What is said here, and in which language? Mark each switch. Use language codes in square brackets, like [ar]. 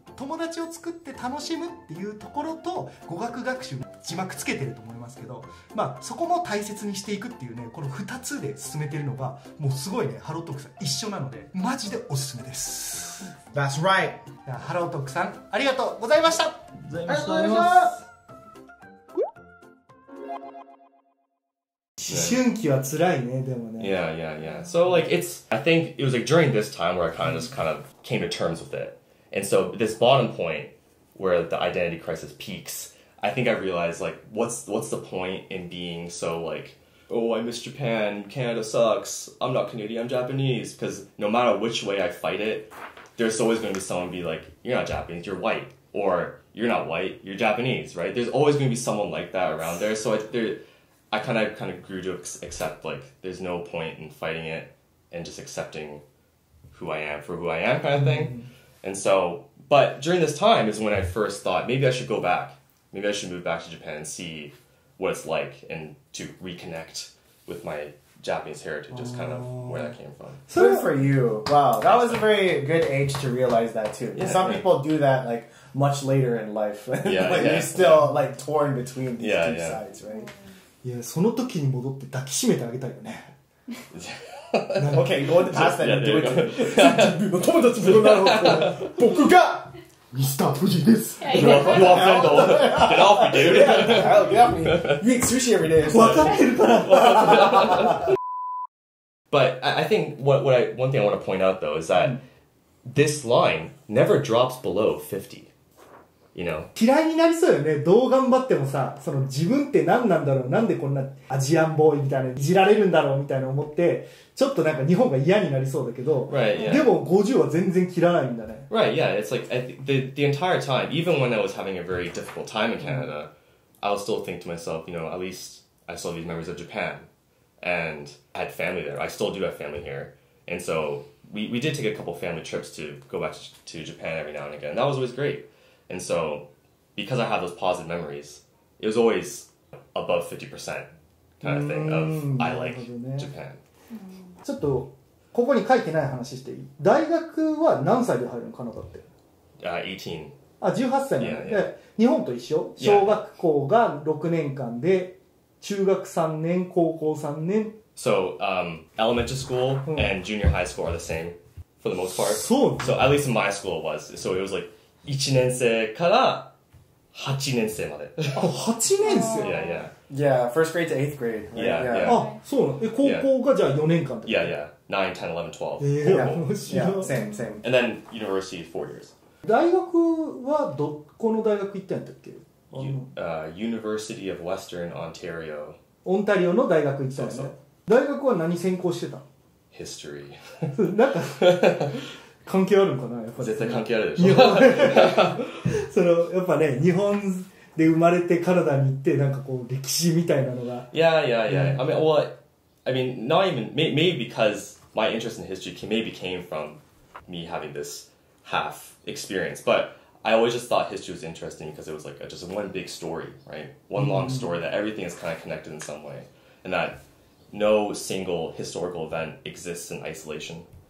[ja] 友達を作って楽しむっていうところと語学学習字幕つけてると思いますけど、まあそこも大切にしていくっていうね、この2つで進めてるのがもうすごいね、ハロートークさん一緒なのでマジでおすすめです。 [en] That's right。 [ja] ハロートークさんありがとうございました。ありがとうございます。思春期は辛いね、でもね。 [en] Yeah, yeah, yeah. So like it's, I think it was like during this time where I kind of just kind of came to terms with it. And so this bottom point where the identity crisis peaks, I think I realized like what's the point in being so like, oh, I miss Japan, Canada sucks, I'm not Canadian, I'm Japanese. Because no matter which way I fight it, there's always going to be someone be like, you're not Japanese, you're white. Or you're not white, you're Japanese, right? There's always going to be someone like that around there. So I kind of grew to accept, like, there's no point in fighting it and just accepting who I am for who I am kind of thing. And so, but during this time is when I first thought, maybe I should go back. Maybe I should move back to Japan and see what it's like and to reconnect with my Japanese heritage, just kind of where that came from. So for you, wow, that was a very good age to realize that too. Yeah, some people do that, like, much later in life. Yeah, but yeah, you're still, yeah. like, torn between these yeah, two yeah. sides, right? [ja] いや、その時に戻って抱きしめてあげたいよね。 [en] OK、go on the past and do it. [ja] 友達もなろうと。僕がミスター・フジです。 [en] You are friend of. Get off me, dude. Get off me. You eat sushi every day. [ja] 分かってるから。 [en] But I think one thing I want to point out though is that this line never drops below 50. You know? [ja] 嫌いになりそうよね、どう頑張ってもさ、その自分って何なんだろう、なんでこんなアジアンボーイみたいな、いじられるんだろうみたいな思って、ちょっとなんか日本が嫌になりそうだけど、 [en] right, yeah. [ja] でも50は全然切らないんだね。 [en] Right, yeah, it's like the entire time, even when I was having a very difficult time in Canada, I would still think to myself, you know, at least I still have these memories of Japan, and I had family there, I still do have family here, and so we did take a couple family trips to go back to Japan every now and again, that was always great. And so, because I have those positive memories, it was always above 50% kind of thing of I like、 [ja] ね、 [en] Japan. [ja] ちょっとここに書いてない話していい？大学は何歳で入るのカナダって 18。あ、18歳なの、 [en] yeah, yeah. [ja] 日本と一緒？小学校が6年間で、中学3年、高校3年。 [en] So, elementary school and junior high school are the same for the most part. [ja] そう、ね、 [en] So, at least in my school it was. So, it was like... [ja] 1年生から8年生まで。あ、8年生 [en] Yeah, yeah. Yeah, first grade to eighth grade.、Right? Yeah, yeah. yeah. [ja] あ、そうなの。え、高校がじゃあ4年間って [en] 。 Yeah, yeah. 9, 10, 11, 12. Yeah, [ja] 面白い。 [en] Yeah, same, same. And then university is 4 years. [ja] 大学はどこの大学行ったんだっけ [en] University of Western Ontario. [ja] オンタリオの大学行ったんだ。そうそう。大学は何専攻してたの [en] ?History. [ja] なんか関係あるのかなやっぱ、ね、絶対関係あるでしょ。そのやっぱね、日本で生まれてカナダに行ってなんかこう歴史みたいなのが。 [en] Yeah, yeah, yeah.、うん、I mean, well, I mean, not even maybe because my interest in history maybe came from me having this half experience. But I always just thought history was interesting because it was like just one big story, right? One long story that everything is kind of connected in some way, and that no single historical event exists in isolation.